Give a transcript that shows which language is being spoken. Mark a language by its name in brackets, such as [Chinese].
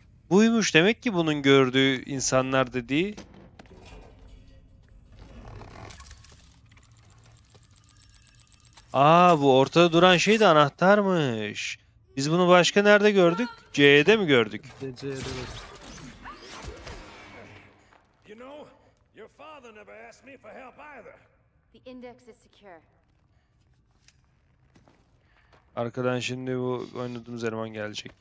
[Turkish] Buymuş demek ki bunun gördüğü insanlar dediği. Aa, bu ortada duran şey de anahtarmış. Biz bunu başka nerede gördük? C'de mi gördük? [English] You know, your father never asked me for help either. The index is secure. [Turkish] Arkadan şimdi bu oynadığımız eleman gelecek.